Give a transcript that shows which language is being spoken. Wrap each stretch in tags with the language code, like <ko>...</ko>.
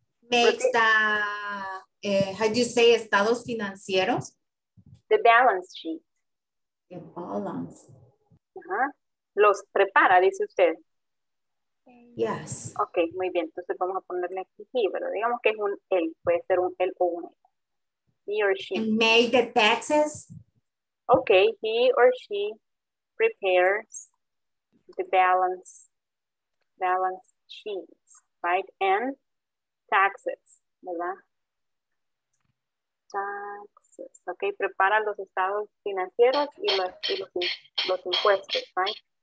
<en>Makes the, how do you say, estados financieros? The balance sheet. The balance.</en> <es>Uh-huh. Los prepara, dice usted.</es> <en>Yes.</en> <es>Ok, muy bien. Entonces vamos a ponerle aquí, sí, pero digamos que es un él. Puede ser un él o un él. He or she.</es> <en>Make the taxes. Okay, he or she prepares the balance sheets, right? And taxes, ¿verdad?</en> <es>Taxes, okay, prepara los estados financieros y los impuestos, right?</es>